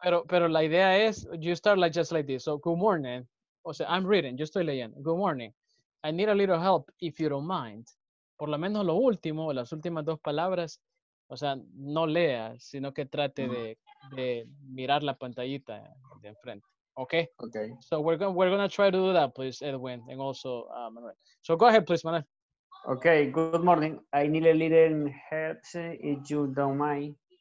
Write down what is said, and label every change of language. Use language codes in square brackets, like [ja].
[es] Pero la idea es, [en] you start like just like this. So, good morning. [es] O sea, [en] I'm reading, [es] yo estoy leyendo. [en] Good morning. I need a little help, if you don't mind. [es] Por lo menos lo último, las últimas dos palabras, o sea, no lea, sino que trate de mirar la pantallita de enfrente. [en] Okay? Okay. So we're gonna try to do that, please, Edwin, and also Manuel. So go ahead, please, Manuel. Okay, good morning. I need a little help, if you don't mind.